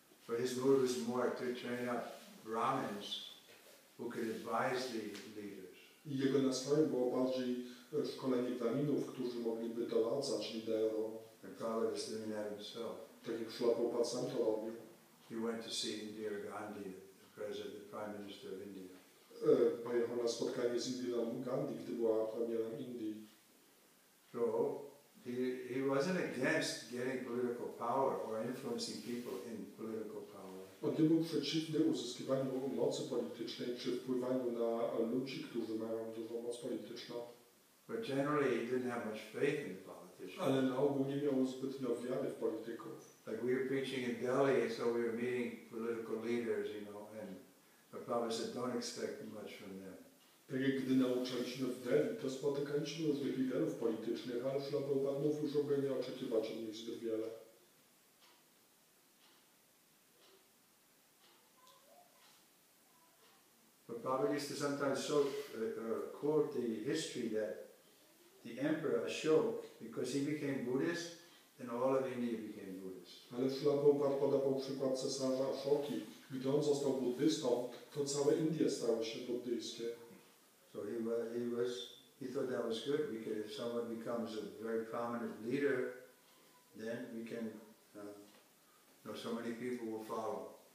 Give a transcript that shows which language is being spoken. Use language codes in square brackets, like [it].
[en] But his word is more to train up Brahmins who could advise the leaders. [pl] I jego nastrojem było bardziej szkolenie Brahminów, którzy mogliby doradzać liderom. [en] And Prabhupada was doing that himself. [pl] Tak jak Prabhupada sam to robił. [en] He went to see Indira Gandhi, the president, the prime minister of India. [pl] pojechał na spotkanie z Indirą Gandhi, gdy była premierem Indii. [en] So, he wasn't against getting political power or influencing people in political power. [pl] On nie był przeciwny uzyskiwaniu mocy politycznej czy wpływaniu na ludzi, którzy mają dużą moc polityczną. [en] But generally he didn't have much faith in the politicians. [pl] Ale na ogół nie miał zbytnio wiary w polityków. [en] Like we were preaching in Delhi, and so we were meeting political leaders, you know, and the Prabhupada said, don't expect much from them. [pl] Tak jak gdy nauczaliśmy w Delhi, to spotykaliśmy różnych liderów politycznych, ale Śla Prabhupada mówił, żeby nie oczekiwać od nich zbyt wiele. [en] Prabhupada used to sometimes quote the history that the emperor Ashoka, because he became Buddhist, and all of India became Buddhist. [pl] Ale Śla Prabhupada podawał przykład cesarza Ashoki. Gdy on został buddystą, to całe Indie stały się buddyjskie. [en] So he thought that was good, because if someone becomes a very prominent leader, then we can, so many people will follow.